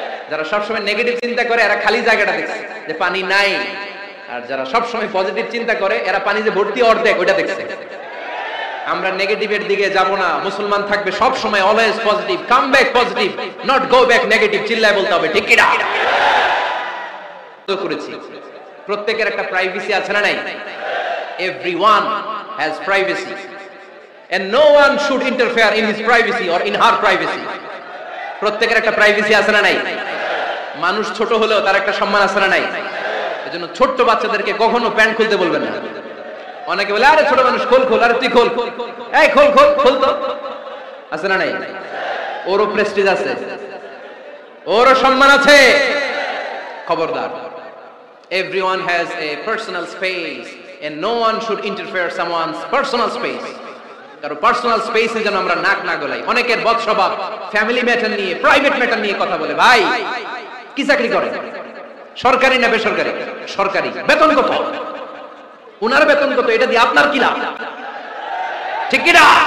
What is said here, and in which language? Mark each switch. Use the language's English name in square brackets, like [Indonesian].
[Bangla] যারা সবসময় নেগেটিভ চিন্তা করে এরা খালি জায়গাটা দেখছে যে পানি নাই, আর যারা সবসময় পজিটিভ চিন্তা করে এরা পানি যে ভর্তি অর্ধেক ওইটা দেখছে। আমরা নেগেটিভের দিকে যাব না, মুসলমান থাকবে সব সময় [English] always positive, come back positive, not go back negative, [Bangla] চিল্লায় বলতে হবে, ঠিক কি না? তো করেছি, প্রত্যেকের একটা প্রাইভেসি আছে না নাই? [English] Everyone has privacy and no one should interfere in his privacy or in her privacy. [Bangla] প্রত্যেকের একটা প্রাইভেসি আছে না নাই? মানুষ ছোট হলেও তার একটা সম্মান আছে না নাই? এজন্য ছোট বাচ্চাদেরকে কখনো প্যান্ট খুলতে বলবেন না। অনেকে বলে আরে ছোট মানুষ খোল খোল, আরে তুই খোল এই খোল খোল খোল তো, আছে না নাই? ওরও প্রেস্টিজ আছে, ওরও সম্মান আছে, খবরদার। [English] Everyone has a personal space and no one should interfere someone's personal space. [Bangla] কারো পার্সোনাল স্পেসে যেন আমরা নাক না গলাই। অনেকের বদস্বভাব ফ্যামিলি ম্যাটার নিয়ে, প্রাইভেট ম্যাটার নিয়ে কথা বলে। ভাই কি চাকরি করে, সরকারি না বেসরকারি? সরকারি, বেতন কত? উনার বেতন কত? এটা দিয়ে আপনার কি লাভ, ঠিক কি না?